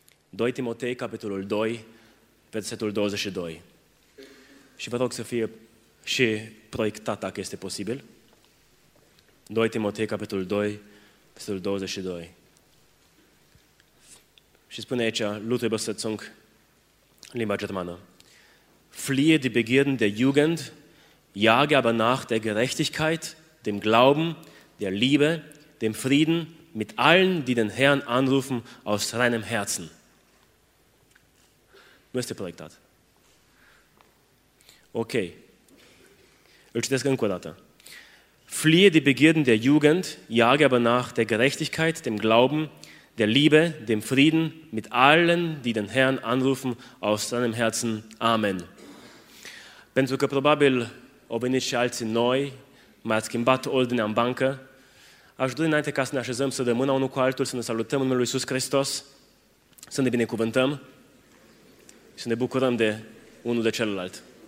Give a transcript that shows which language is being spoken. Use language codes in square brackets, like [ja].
[ro] 2 Timotei, capitolul 2, versetul 22. Și vă rog să fie și proiectat, dacă este posibil. 2 Timotei, capitolul 2, versetul 22. Și spune aici, Luther Besetzung, limba germană. [de] Fliehe die Begierden der Jugend, jage aber nach der Gerechtigkeit, dem Glauben, der Liebe, dem Frieden mit allen, die den Herrn anrufen aus reinem Herzen. [ro] Nu este proiectat. Ok. Îl citesc încă o dată. [de] Fliehe die Begierden der Jugend, jage aber nach der Gerechtigkeit, dem Glauben, der Liebe, dem Frieden mit allen, die den Herrn anrufen aus seinem Herzen. [ro] Amen. Pentru că probabil au venit și alții noi, mai ați schimbat ordinea în bancă, aș dori înainte ca să ne așezăm, să dăm mâna unul cu altul, să ne salutăm în numele lui Iisus Hristos, să ne binecuvântăm, să ne bucurăm de unul de celălalt.